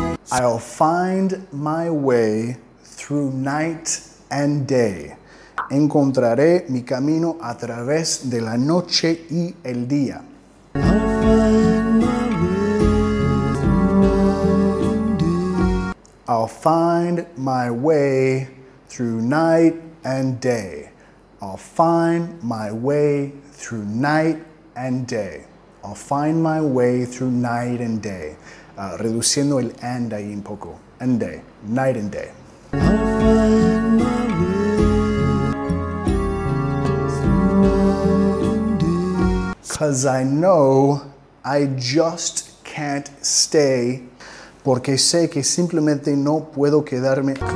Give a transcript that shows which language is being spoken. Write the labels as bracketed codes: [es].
[en] I'll find my way through night and day. [es] Encontraré mi camino a través de la noche y el día. [en] I'll find my way through night and day. I'll find my way through night and day. I'll find my way through night and day. [es] Reduciendo el and ahí un poco. [en] And day. Night and day. I'll find my way through night and day. Cause I know I just can't stay. [es] Porque sé que simplemente no puedo quedarme.